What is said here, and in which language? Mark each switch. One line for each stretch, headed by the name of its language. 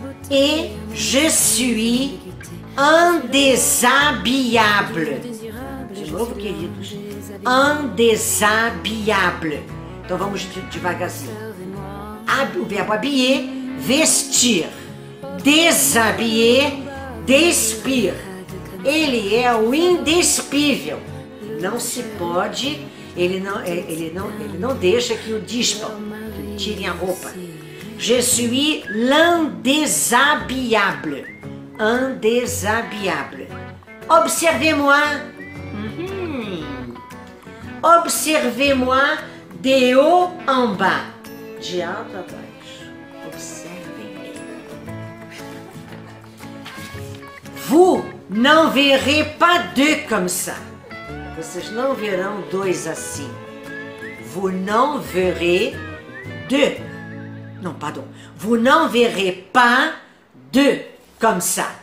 French: Et je suis indéshabillable.
Portuguese: De novo, queridos. Indéshabillable. Então vamos devagarzinho. O verbo habiller, vestir. Déshabiller, despir. Ele é o indespível. Não se pode, ele não deixa que o despam, que tirem a roupa.
French: Je suis l'indéshabillable. Indéshabillable. Observez-moi. Observez-moi de haut en bas.
Portuguese: De alto a baixo. Observez-me.
French: Vous n'en verrez pas deux comme ça.
Portuguese: Vocês não verão dois assim.
French: Vous n'en verrez deux. Non, pardon. Vous n'en verrez pas deux comme ça.